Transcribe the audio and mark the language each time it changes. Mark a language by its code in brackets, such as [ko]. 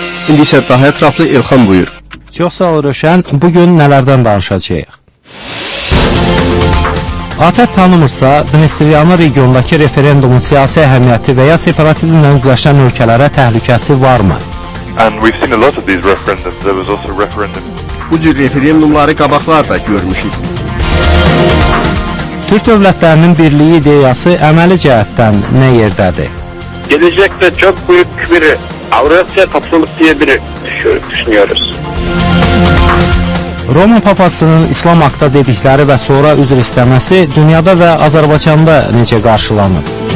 [az] İndi isə daha ətraflı İlxan buyur. Çox sağ ol Rövşən, bugün nələrdən danışacaq? ATƏT tanımırsa, Dnestriyanı regiondakı referendumun siyasi əhəmiyyəti və ya separatizmlə üzləşən ölkələrə təhlükəsi varmı? [en] And we've seen a lot of these referendums. There was also a referendum. [az] Bu cür referendumları qabaqlar da görmüşük. Türk dövlətlərinin birliyi ideyası əməli cəhətdən nə yerdədir? [tr] Gələcəkdə çox büyük bir Avrasiya topluluğu deyə bir düşünürüz. [az] Roma papasının İslam haqda dedikləri və sonra üzr istəməsi dünyada və Azərbaycanda necə qarşılanıb?